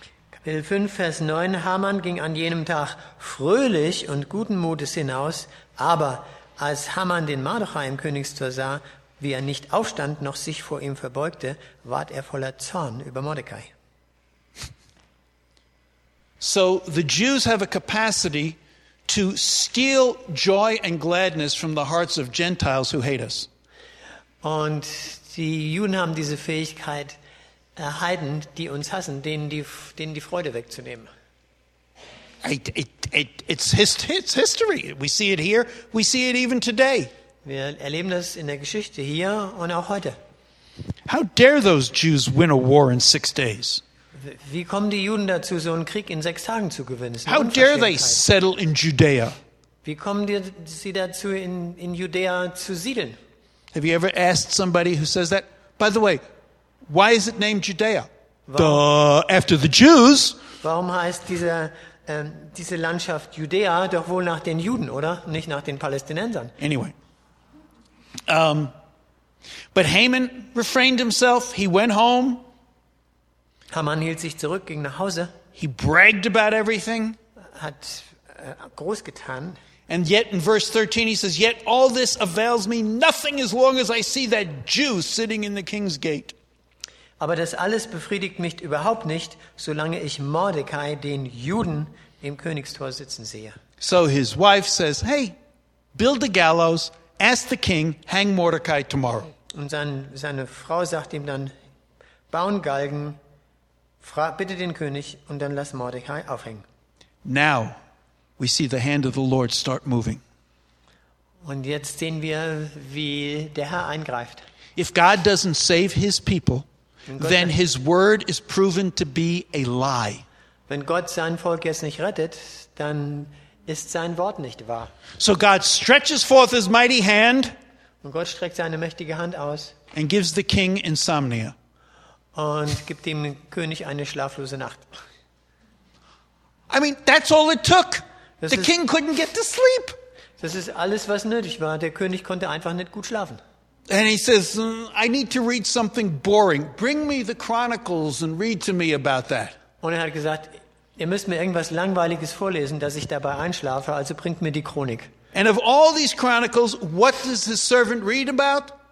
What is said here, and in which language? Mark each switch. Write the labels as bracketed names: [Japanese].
[German] Kapitel 5, Vers 9. Haman ging an jenem Tag fröhlich und guten Mutes hinaus. Aber als Haman den Mordecai im Königstor sah, wie er nicht aufstand, noch sich vor ihm verbeugte, ward er voller Zorn über Mordecai. [English] So the Jews have a capacity to steal joy and gladness from the hearts of Gentiles who hate us. [German] Und die Juden haben diese Fähigkeit, Heiden, die uns hassen, denen die Freude wegzunehmen. [English] It's history. We see it here. We see it even today. [German] Wir erleben das in der Geschichte hier und auch heute. [English] How dare those Jews win a war in 6 days? [German] Wie kommen die Juden dazu, so einen Krieg in 6 Tagen zu gewinnen? [English] How dare they settle in Judea? [German] Wie kommen sie dazu, in Judäa zu siedeln? [English] Have you ever asked somebody who says that? By the way, why is it named Judea? After the Jews. [German] Warum heißt diese Landschaft Judäa doch wohl nach den Juden, oder? Nicht nach den Palästinensern. [English] Anyway. But Haman refrained himself. He went home. [German] Haman hielt sich zurück, ging nach Hause. [English] He bragged about everything. [German] Hat groß getan. [English] And yet in verse 13 he says, yet all this avails me nothing as long as I see that Jew sitting in the king's gate. [German] Aber das alles befriedigt mich überhaupt nicht, solange ich Mordecai, den Juden, im Königstor sitzen sehe. [English] So his wife says, hey, build the gallows, ask the king, hang Mordecai tomorrow. [German] Und seine Frau sagt ihm dann, bauen Galgen, bitte den König und dann lass Mordecai aufhängen. [English] Now we see the hand of the Lord start moving. [German] Und jetzt sehen wir, wie der Herr eingreift. [English] If God doesn't save his people, then his word is proven to be a lie. [German] Wenn Gott sein Volk jetzt nicht rettet, dann ist sein Wort nicht wahr. [English] So God stretches forth his mighty hand. [German] Und Gott streckt seine mächtige Hand aus. [English] And gives the king insomnia. [German] Und gibt dem König eine schlaflose Nacht. [English] I mean, that's all it took. The king couldn't get to sleep. [German] Das ist alles, was nötig war. Der König konnte einfach nicht gut schlafen. [English] And he says, I need to read something boring. Bring me the Chronicles and read to me about that. [German] Und er hat gesagt, ihr müsst mir irgendwas Langweiliges vorlesen, dass ich dabei einschlafe, also bringt mir die Chronik. [English] And of all these Chronicles, what does his servant read about?